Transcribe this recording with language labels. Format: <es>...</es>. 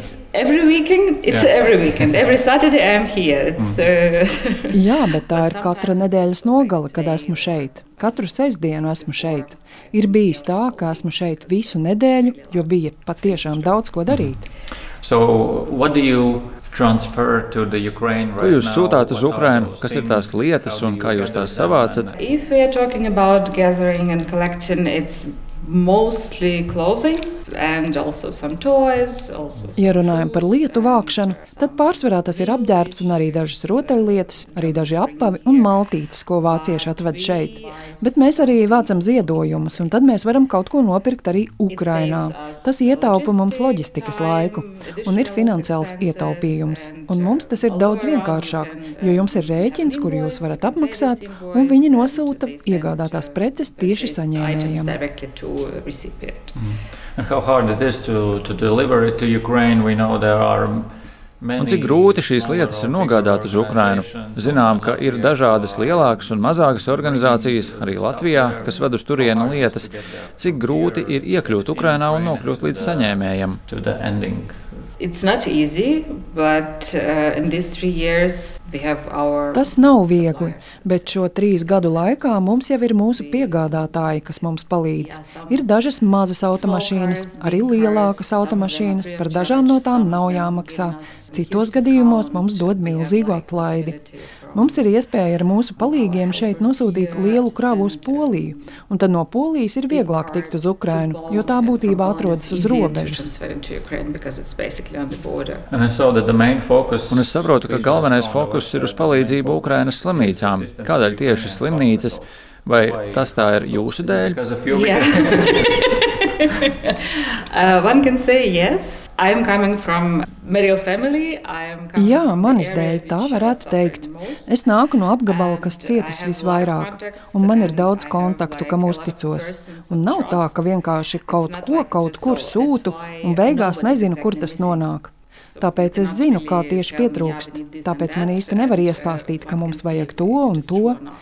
<lv>Jā, bet tā ir katra nedēļas nogale, kad esmu šeit. Katru sestdienu esmu šeit. Ir bijis tā, ka esmu šeit visu nedēļu, jo bija patiešām daudz ko darīt. Ko jūs sūtāt uz Ukrainu? Kas ir tās lietas un kā jūs tās savācat?</lv> <en>If we are talking about gathering and collection, it's mostly clothing.</en> <lv>Ja runājam par lietu vākšanu, tad pārsvarā tas ir apģērbs un arī dažas rotaļlietas, arī daži apavi un maltītes, ko vācieši atved šeit. Bet mēs arī vācam ziedojumus, un tad mēs varam kaut ko nopirkt arī Ukrainā. Tas ietaupa mums loģistikas laiku un ir finansiāls ietaupījums. Un mums tas ir daudz vienkāršāk, jo jums ir rēķins, kur jūs varat apmaksāt, un viņi nosūta iegādātās preces tieši saņēmējiem.</lv> <en>And how hard it is to deliver it to Ukraine, we know there are</en> <lv>Un cik grūti šīs lietas ir nogādāt uz Ukrainu. Zinām, ka ir dažādas lielākas un mazākas organizācijas, arī Latvijā, kas ved uz turienu lietas. Cik grūti ir iekļūt Ukrainā un nokļūt līdz saņēmējam.</lv> <en>It's not easy, but in these 3 years we have our</en> <lv>Tas nav viegli, bet šo 3 gadu laikā mums jau ir mūsu piegādātāji, kas mums palīdz. Ir dažas mazas automašīnas, arī lielākas automašīnas, par dažām no tām nav jāmaksā. Citos gadījumos mums dod milzīgu atlaidi. Mums ir iespēja ar mūsu palīgiem šeit nosūtīt lielu kravu uz Poliju, un tad no Polijas ir vieglāk tikt uz Ukrainu, jo tā būtībā atrodas uz robežas. Un es saprotu, ka galvenais fokus ir uz palīdzību Ukrainas slimnīcām. Kādēļ tieši slimnīcas? Vai tas tā ir jūsu dēļ?</lv> <en>One can say yes. I am coming from medical family.</en> <lv>Jā, manis dēļ tā varētu teikt. Es nāku no apgabala, kas cietis visvairāk, un man ir daudz kontaktu, kam uzticos. Un nav tā, ka vienkārši kaut kur sūtu un beigās nezinu, kur tas nonāk. Tāpēc es zinu, kā tieši pietrūkst. Tāpēc man īsti nevar iestāstīt, ka mums vajag to un to.</lv>